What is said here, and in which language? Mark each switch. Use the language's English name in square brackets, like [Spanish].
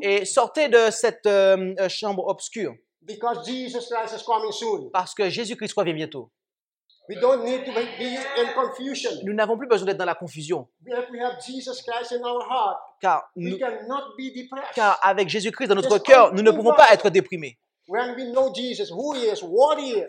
[French] Et sortez de cette chambre obscure. [English] Because Jesus Christ is coming soon. [French] Parce que Jésus-Christ revient bientôt. [English] We don't need to be in confusion. [French] Nous n'avons plus besoin d'être dans la confusion. [English] If we have Jesus Christ in our heart, [French] car nous [English] cannot be depressed. [French] Car avec Jésus-Christ dans notre cœur, nous ne pouvons pas être déprimés. [English] When we know Jesus, who he is, what he is,